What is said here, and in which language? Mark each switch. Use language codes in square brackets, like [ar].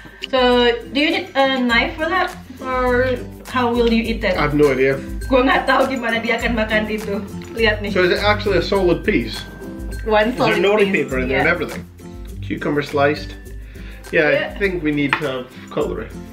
[en] So do you need a knife for that? Or how will you eat that? I have no idea. [id] Gua nggak tahu gimana dia akan makan itu. Lihat nih. [en] So is it actually a solid piece? One solid piece. Is there nori paper in there and everything? Cucumber sliced. Yeah, I think we need to have cutlery.